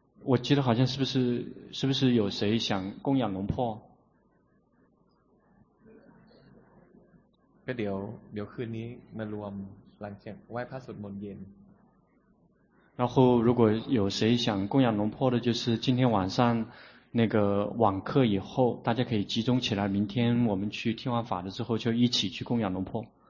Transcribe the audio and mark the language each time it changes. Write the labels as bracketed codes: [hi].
[zh] 我记得好像是不是有谁想供养龙婆？ [th] 那เดี๋ยว คืนนี้มารวมหลังจากไหว้พระสวดมนต์เย็น。 [zh] 然后如果有谁想供养龙婆的，就是今天晚上那个网课以后，大家可以集中起来，明天我们去听完法了之后，就一起去供养龙婆。